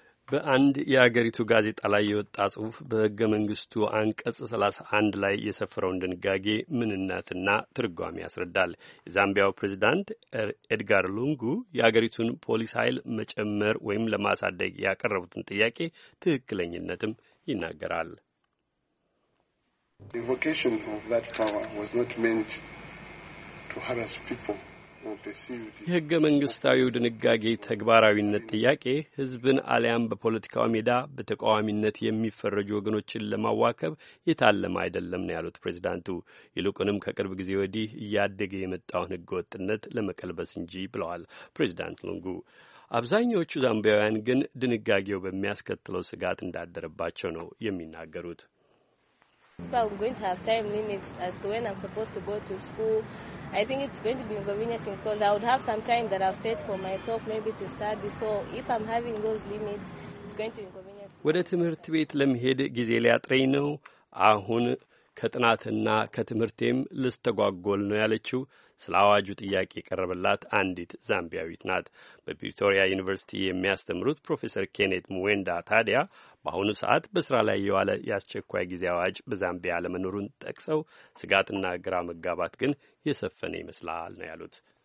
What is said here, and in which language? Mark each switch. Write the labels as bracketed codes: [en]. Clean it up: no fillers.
[am] በአንድ የአገሪቱ ጋዜጣ ላይ የወጣ ጽሁፍ በህገ መንግስቱ አንቀጽ 31 ላይ የሰፈረውን ድንጋጌ ምንነትና ትርጓሚ ያስረዳል። የዛምቢያው ፕሬዚዳንት ኤድጋር ሉንጉ የአገሪቱን ፖሊስ ኃይል መጨመር ወይም ለማሳደግ ያቀረቡትን ጥያቄ ትክክለኝነትም ይናገራል። [en] Invocation of that power was not meant to harass people. [am] የህገ መንግስታዊው ድንጋጌ ተግባራዊነት ጥያቄ ህዝብን አለያም በፖለቲካው ሜዳ በተቃዋሚነት የሚፈረጁ ወገኖችን ለማዋከብ የታለመ አይደለም ነው ያሉት ፕሬዚዳንቱ። ይልቁንም ከቅርብ ጊዜ ወዲህ እያደገ የመጣውን ህገ ወጥነት ለመቀልበስ እንጂ ብለዋል ፕሬዚዳንት ሉንጉ። አብዛኞቹ ዛምቢያውያን ግን ድንጋጌው በሚያስከትለው ስጋት እንዳደረባቸው ነው የሚናገሩት። [en] So I'm going to have time limits as to when I'm supposed to go to school. I think it's going to be inconvenient because I would have some time that I've set for myself maybe to study. So if I'm having those limits, it's going to be inconvenient. [am] ወደ ትምህርት ቤት ለመሄድ ጊዜ ሊያጥረኝ ነው አሁን ከጥናትና ከትምህርቴም ልስተጓጎል ነው ያለችው ስላዋጁ ጥያቄ የቀረበላት አንዲት ዛምቢያዊት ናት። በፕሪቶሪያ ዩኒቨርሲቲ የሚያስተምሩት ፕሮፌሰር ኬኔት ሙዌንዳ ታዲያ በአሁኑ ሰዓት በስራ ላይ የዋለ ያስቸኳይ ጊዜ አዋጅ በዛምቢያ ለመኖሩን ጠቅሰው ስጋትና ግራ መጋባት ግን የሰፈነ ይመስላል ነው ያሉት።